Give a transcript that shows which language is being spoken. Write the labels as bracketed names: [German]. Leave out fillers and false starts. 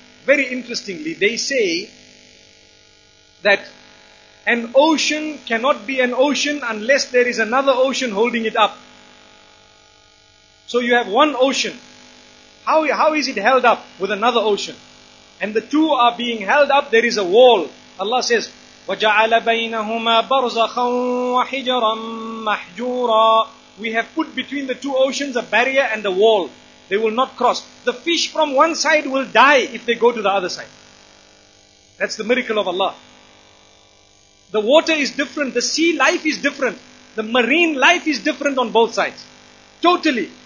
[English] Very interestingly, they say that an ocean cannot be an ocean unless there is another ocean holding it up. So you have one ocean. How is it held up with another ocean? And the two are being held up, there is a wall. Allah says, [Arabic] وَجَعَلَ بَيْنَهُمَا بَرْزَخًا وَحِجَرًا مَحْجُورًا. [English] We have put between the two oceans a barrier and a wall. They will not cross. The fish from one side will die if they go to the other side. That's the miracle of Allah. The water is different. The sea life is different. The marine life is different on both sides. Totally.